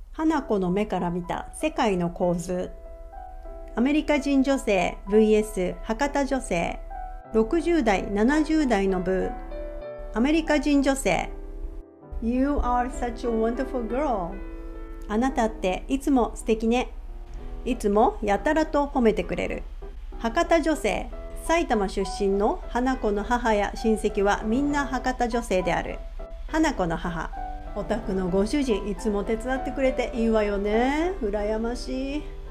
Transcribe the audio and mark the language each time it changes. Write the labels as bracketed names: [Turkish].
[Japanese] 花子の目から見た世界の構図、アメリカ人女性 vs 博多女性、60代70代の部、アメリカ人女性。 [English] You are such a wonderful girl. [Japanese] あなたっていつも素敵ね。いつもやたらと褒めてくれる。博多女性、埼玉出身の花子の母や親戚はみんな博多女性である。花子の母、お宅のご主人いつも手伝ってくれていいわよね、羨ましい。